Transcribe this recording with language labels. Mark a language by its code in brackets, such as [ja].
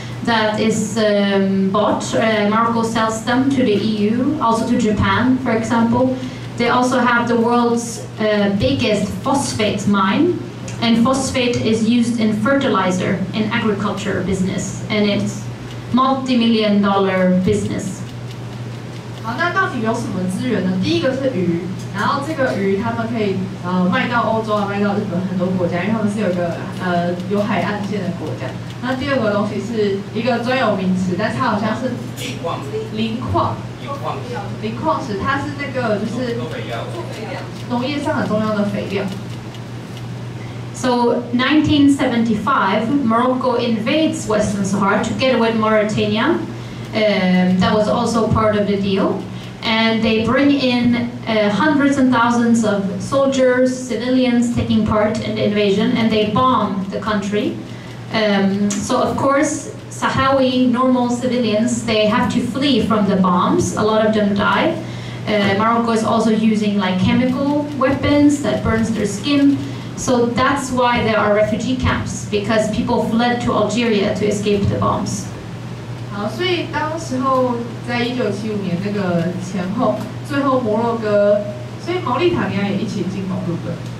[en] That is bought. Marco sells them to the EU, also to Japan, for example. They also have the world's biggest phosphate mine, and phosphate is used in fertilizer in agriculture business, and it's multi-million dollar business. [zh] 好，那到底有什么资源呢？第一个是鱼，然后这个鱼他们可以卖到欧洲啊，卖到日本很多国家，因为他们是有一个有海岸线的国家。那第二个东西是一个专有名词，但是它好像是磷矿石，它是那个就是农业上很重要的肥料。 [en] So 1975, Morocco invades Western Sahara together with Mauritania. That was also part of the deal. And they bring in hundreds and thousands of soldiers, civilians taking part in the invasion, and they bomb the country. So of course, Sahrawi normal civilians, they have to flee from the bombs. A lot of them die. Morocco is also using like chemical weapons that burns their skin. So that's why there are refugee camps, because people fled to Algeria to escape the bombs. [zh] 所以当时候在1975年那个前后，最后摩洛哥，所以毛利塔尼亚也一起进攻，对不对